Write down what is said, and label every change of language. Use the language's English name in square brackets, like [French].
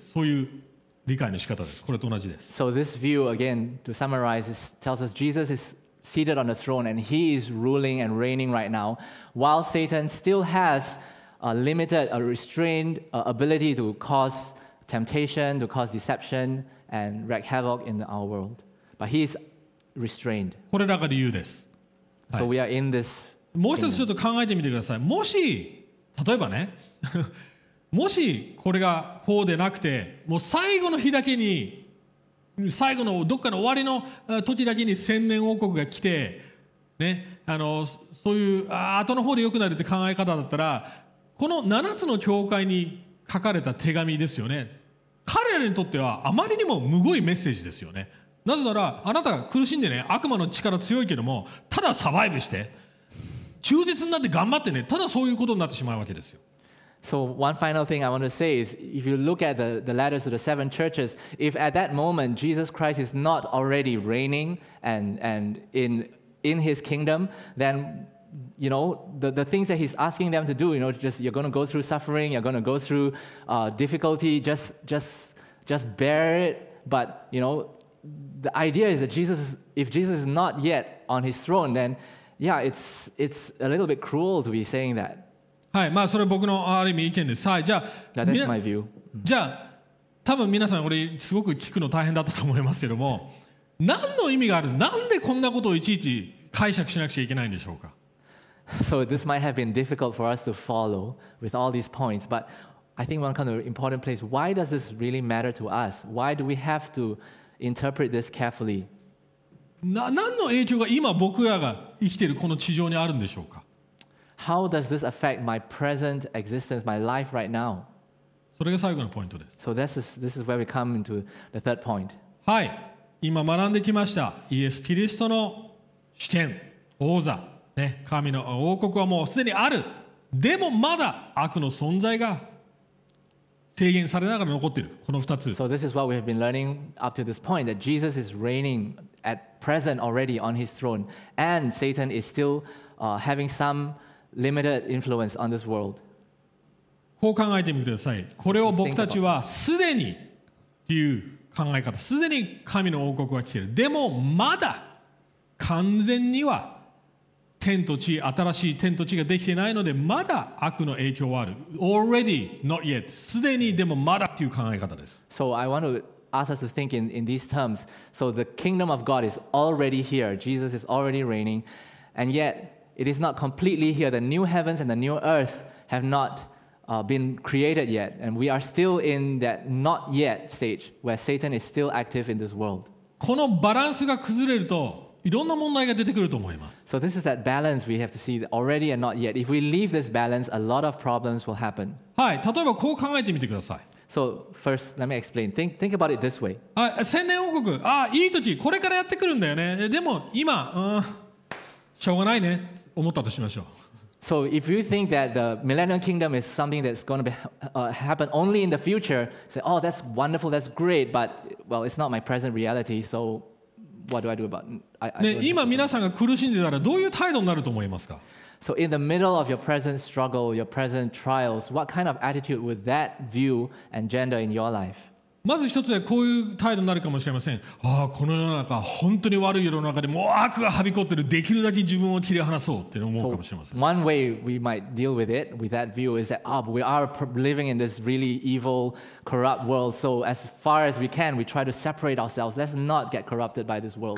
[Japanese] そういう理解の仕方です。これと同じです。 [English] So this view, again, to summarize, tells us Jesus isseated on the throne and he is ruling and reigning right now while Satan still has a limited, a restrained ability to cause temptation, to cause deception and wreak havoc in our world. But he is restrained. [Japanese] これらが理由です。 [English] So we are in this. [Japanese] もう一つちょっと考えてみてください。もし、例えばね、もしこれがこうでなくて、もう最後の日だけに最後のどっかの終わりの時だけに千年王国が来て、ね、そういう後の方で良くなるって考え方だったら、この7つの教会に書かれた手紙ですよね。彼らにとってはあまりにもむごいメッセージですよね。なぜならあなたが苦しんでね、悪魔の力強いけども、ただサバイブして忠実になって頑張ってね、ただそういうことになってしまうわけですよ。 [English] So one final thing I want to say is, if you look at the letters to the seven churches, if at that moment Jesus Christ is not already reigning and in his kingdom, then you know the things that he's asking them to do, you know, just you're going to go through suffering, you're going to go through difficulty, just bear it. But you know, the idea is that Jesus, if Jesus is not yet on his throne, then yeah, it's a little bit cruel to be saying that. [Japanese] はい、まあそれは僕のある意味意見です。はい、 [English] That's my view. [Japanese] じゃあ、多分皆さん、これすごく聞くの大変だったと思いますけども、何の意味がある？なんでこんなことをいちいち解釈しなくちゃいけないんでしょうか？ [English] So this might have been difficult for us to follow with all these points, but I think one kind of important place, why does this really matter to us? Why do we have to interpret this carefully? [Japanese] 何の影響が今僕らが生きているこの地上にあるんでしょうか？ [English] How does this affect my present existence, my life right now? [Japanese] それが最後のポイントです。 [English] So this is where we come into the third point. [Japanese] はい、今学んできましたイエス・キリストの主権、王座、ね、神の王国はもうすでにある。でもまだ悪の存在が制限されながら残っている。この二つ。 [English] So this is what we have been learning up to this point, that Jesus is reigning at present already on his throne, and Satan is still having somelimited influence on this world. [Japanese] こう考えてみてください。これを僕たちはすでにという考え方、すでに神の王国は来ている。でもまだ完全には天と地、新しい天と地ができていないので、まだ悪の影響はある。 [English] Already, not yet. [Japanese] すでに、でもまだという考え方です。 [English] So I want to ask us to think in these terms. So the kingdom of God is already here. Jesus is already reigning. And yet,It is not completely here. The new heavens and the new earth have not been created yet. And we are still in that not yet stage where Satan is still active in this world. [Japanese] このバランスが崩れるといろんな問題が出てくると思います。 [English] So this is that balance we have to see already and not yet. If we leave this balance, a lot of problems will happen. [Japanese] はい、例えばこう考えてみてください。 [English] So first, let me explain. Think about it this way. [Japanese] 千年王国、ああ、いい時、これからやってくるんだよね。でも今、しょうがないね。思ったとしましょう。 [English] So if you think that the millennial kingdom is something that's going to happen only in the future, say, oh, that's wonderful, that's great, but well, it's not my present reality. So what do I do about? [Japanese] ね、今皆さんが苦しんでたらどういう態度になると思いますか [English] ？So in the middle of your present struggle, your present trials, what kind of attitude would that view engender in your life? [Japanese] まず一つはこういう態度になるかもしれません。ああ、この世の中本当に悪い世の中でもう悪がはびこってる。できるだけ自分を切り離そうって思うかもしれません。 [English] One way we might deal with it with that view is that we are living in this really evil, corrupt world. So as far as we can, we try to separate ourselves. Let's not get corrupted by this world.